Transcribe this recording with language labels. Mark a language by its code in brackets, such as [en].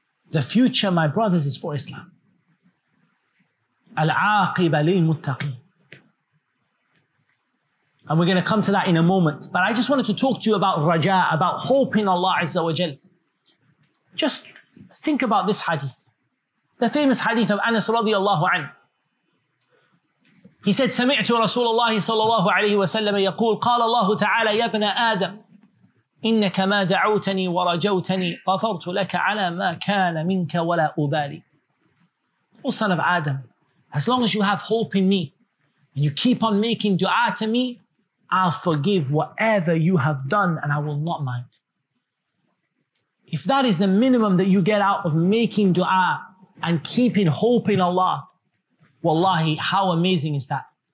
[en] The future, my brothers, is for Islam. [ar] Al-aqiba lil-muttaqeen. [en] And we're going to come to that in a moment. But I just wanted to talk to you about raja, about hope in Allah Azza wa Jal. Just think about this hadith. The famous hadith of Anas radiallahu anhu. He said, [ar] سمعت رسول الله صلى الله عليه وسلم يقول قال الله تعالى يا ابن آدم إنك ما دعوتني ورجوتني غفرت لك على ما كان منك ولا أبالي. [en] O son of Adam, as long as you have hope in me and you keep on making dua to me, I'll forgive whatever you have done and I will not mind. If that is the minimum that you get out of making dua and keeping hope in Allah, wallahi, how amazing is that?